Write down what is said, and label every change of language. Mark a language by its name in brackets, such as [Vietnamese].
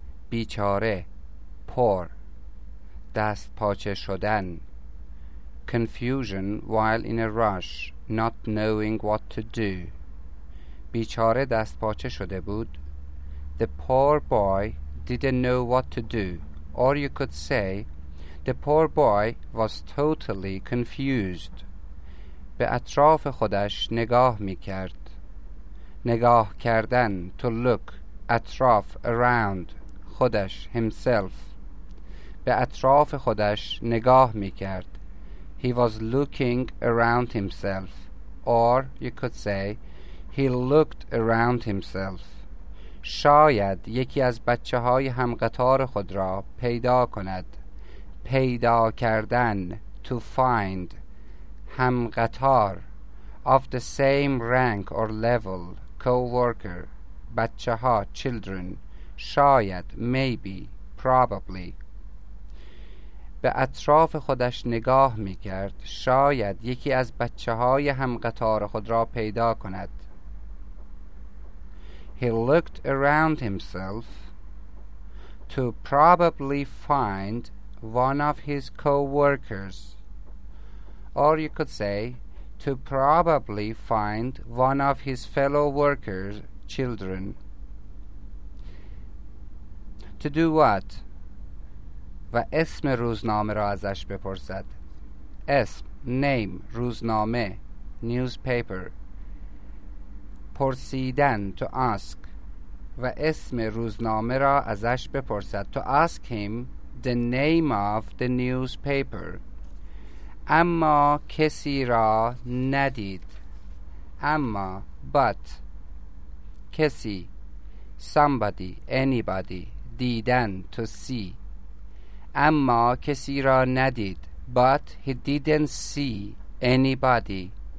[Persian] بیچاره، poor، دست پاچه شدن. [English] Confusion while in a rush, not knowing what to do. [Persian] بیچاره دست پاچه شده بود. [English] The poor boy didn't know what to do. Or you could say, the poor boy was totally confused. [Persian] به اطراف خودش نگاه می کرد. نگاه کردن، [English] to look, [Persian] اطراف، around، خودش، himself. به اطراف خودش نگاه می کرد. [English] He was looking around himself. Or you could say, he looked around himself. [Persian] شاید یکی از بچه های همقطار خود را پیدا کند. پیدا کردن، [English] to find. همقطار، of the same rank or level. Co-worker، بچه ها، children. شاید، maybe، probably. [Persian] به اطراف خودش نگاه می کرد. شاید یکی از بچه های همقطار خود را پیدا کند. [English] He looked around himself to probably find one of his co-workers. Or you could say, to probably find one of his fellow workers, children. To do what? [Persian] و اسم روزنامه را ازش بپرسد. اسم، name، روزنامه، newspaper. [English] پرسیدن، to ask. [Persian] و اسم روزنامه را ازش بپرسد. [English] To ask him the name of the newspaper. [Persian] اما کسی را ندید. [English] اما، but، کسی، somebody، anybody، دیدن، to see. [Persian] اما کسی را ندید. [English] But he didn't see anybody.